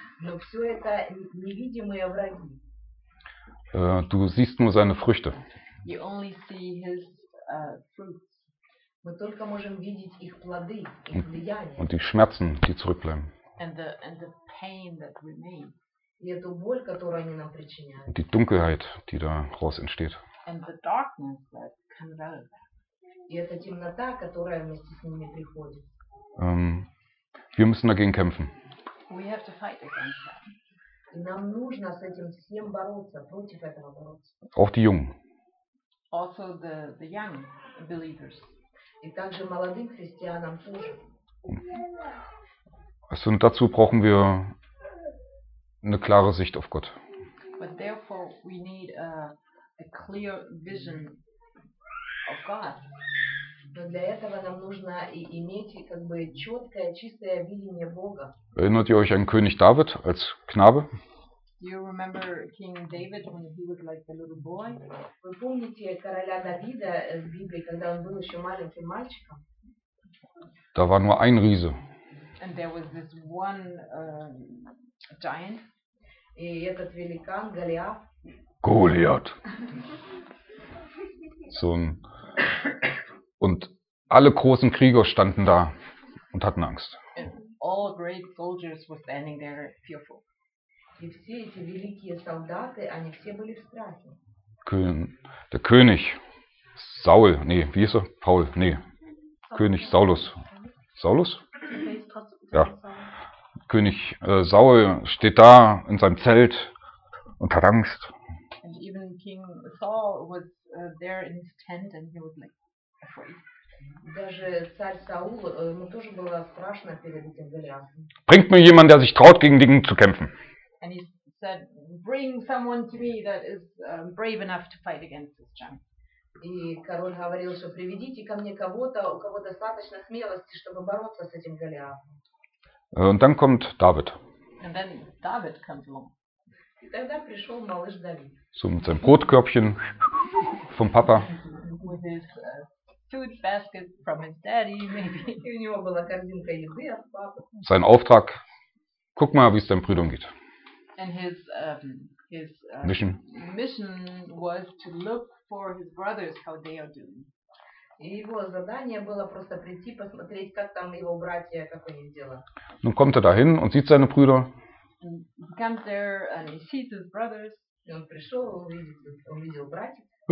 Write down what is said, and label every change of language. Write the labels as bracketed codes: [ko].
[ru] Но все это невидимые враги. [de] Du siehst nur seine Früchte. [en] You only see his fruits. [ru] Мы только можем видеть их плоды, их влияние. [de] Und die Schmerzen, die zurückbleiben. [en] And the pain that remains. [ru] И эту боль, которую они нам причиняют. [de] Und die Dunkelheit, die daraus entsteht. [en] And the darkness that comes out of that. [ru] И эта темнота, которая вместе с ними приходит. [de] Wir müssen dagegen kämpfen. [en] We have to fight against that. [ru] И нам нужно с этим всем бороться, против этого бороться. [de] Auch die Jungen. [en] Also the young believers. [ru] И также молодым христианам тоже. [de] Also dazu brauchen wir eine klare Sicht auf Gott. [en] But therefore we need a clear vision of God. [ru] Но для этого нам нужно иметь как бы четкое, чистое видение Бога. [de] Erinnert ihr euch an König David als Knabe? [en] Do you remember King David when he was like a little boy? [ru] Вы помните короля Давида в Библии, когда он был еще маленьким мальчиком? [de] Da war nur ein Riese. [en] And there was this one giant. [ru] И этот великан Голиаф. [de] Goliath. So ein und alle großen Krieger standen da und hatten Angst. [en] And all great soldiers were standing there fearful. [ru] И все эти великие солдаты, они все были в страхе. [de] Der König Saul, nee, wie hieß er? Paul, nee. König Saulus. Saulus? Ja. König Saul steht da in seinem Zelt und hat Angst. [en] And even King Saul was there in his tent and he was like [ru] даже царь Саул, ему тоже было страшно перед этим Голиафом. [de] Bringt mir jemand, der sich traut, gegen Dinge zu kämpfen. [en] And he said, bring someone to me that is brave enough to fight against this giant. [ru] И король говорил, что приведите ко мне кого-то, у кого достаточно смелости, чтобы бороться с этим Голиафом. [de] Und dann kommt David. [en] And then David comes along. [ru] И тогда пришел малыш Давид. [de] So mit seinem Brotkörbchen vom Papa. [en] With his food basket from his daddy, maybe. [ru] У него была корзинка еды от папы. [de] Sein Auftrag, guck mal, wie es deinem Brüdern geht. [en] And his mission was to look for his brothers, how they are doing. [ru] И его задание было просто прийти, посмотреть, как там его братья, как у них дела. [de] Nun kommt dahin und sieht seine Brüder. [en] He comes there and he sees his brothers. [ru] И он пришел, увидел братьев.